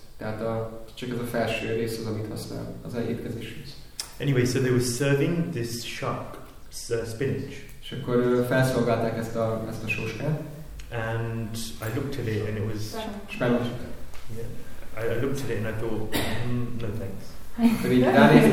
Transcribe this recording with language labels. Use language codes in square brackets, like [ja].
[hu] Tehát csak ez a felső rész az, amit használ az étkezéshez. [en] Anyway, so they were serving this shark spinach. [hu] És akkor felszolgálták ezt a sóskát. [en] And I looked at it and it was spanish. Yeah. I looked at it and I thought, no thanks.